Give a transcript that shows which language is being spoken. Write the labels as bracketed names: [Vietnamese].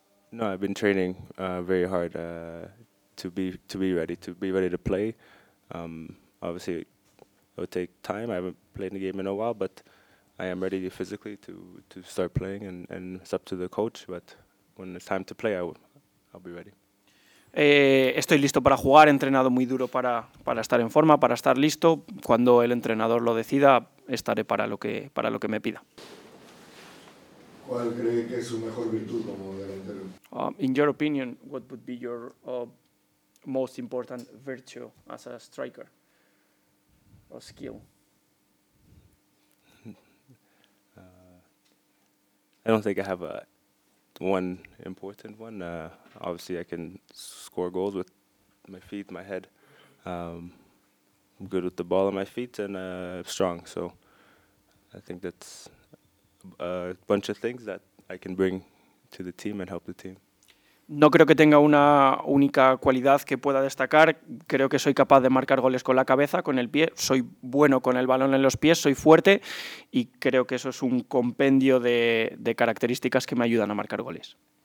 [English] No, I've been training very hard to be ready to play. Obviously, it would take time. I haven't played the game in a while, but I am ready physically to start playing, and it's up to the coach. But when it's time to play, I'll be ready. [Spanish] Estoy listo para jugar. He entrenado muy duro para estar en forma, para estar listo. Cuando el entrenador lo decida, estaré para lo que me pida. ¿Cuál cree que es su mejor virtud como delantero? [English] In your opinion, what would be your most important virtue as a striker or skill? I don't think I have one important one. Obviously, I can score goals with my feet, my head. I'm good with the ball on my feet, and strong. So I think that's a bunch of things that I can bring to the team and help the team. [Spanish] No creo que tenga una única cualidad que pueda destacar. Creo que soy capaz de marcar goles con la cabeza, con el pie. Soy bueno con el balón en los pies, soy fuerte. Y creo que eso es un compendio de características que me ayudan a marcar goles.